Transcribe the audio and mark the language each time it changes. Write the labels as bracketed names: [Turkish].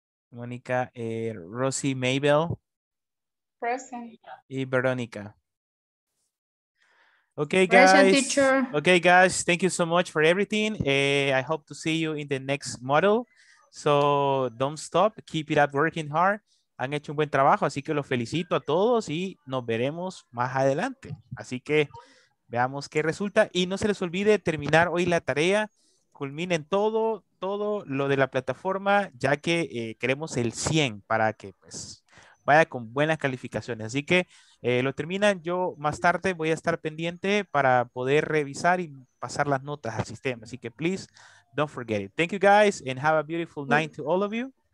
[English] Monica, Rosie Maybell. Present. [Spanish] Y Veronica. [English] Okay, guys. Present, teacher. Okay, guys. Thank you so much for everything. I hope to see you in the next module. So don't stop. Keep it up working hard. [Spanish] Han hecho un buen trabajo. Así que los felicito a todos y nos veremos más adelante. Así que veamos qué resulta. Y no se les olvide terminar hoy la tarea. Culminen todo, todo lo de la plataforma, ya que queremos el 100 para que, pues, vaya con buenas calificaciones. Así que lo terminan. Yo más tarde voy a estar pendiente para poder revisar y pasar las notas al sistema. Así que, [English] please, don't forget it. Thank you, guys, and have a beautiful night to all of you.